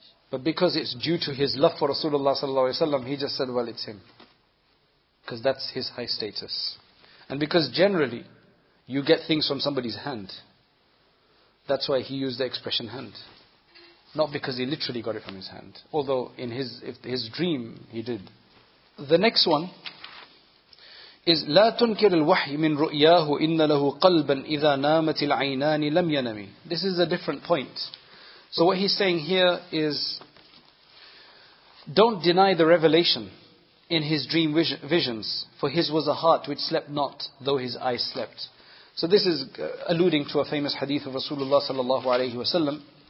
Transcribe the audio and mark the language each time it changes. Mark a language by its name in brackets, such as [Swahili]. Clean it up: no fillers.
[English] But because it's due to His love for Rasulullah sallallahu alaihi wasallam, He just said, well, it's Him. Because that's His high status. And because generally, you get things from somebody's hand. That's why He used the expression hand. Not because He literally got it from His hand. Although, in his dream, He did. The next one is, [Arabic] لا تنكر الوحي من رؤياه إن له قلبا إذا نامت العينان لم ينمي. [English] This is a different point. So what he's saying here is, don't deny the revelation in his dream visions, for his was a heart which slept not, though his eyes slept. So this is alluding to a famous hadith of Rasulullah sallallahu alayhi wa sallam.